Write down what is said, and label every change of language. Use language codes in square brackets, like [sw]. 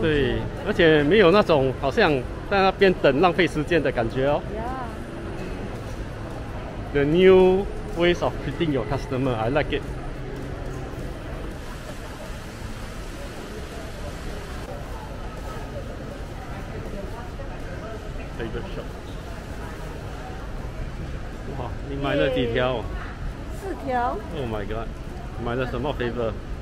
[zh] 对，而且没有那种好像在那边等浪费时间的感觉哦。 [en] Yeah. The new ways of treating your customer, I like it. [zh] 这个 shop， 哇，你买了几条？四条。 [en] Oh my god， [zh] 买了什么 flavor？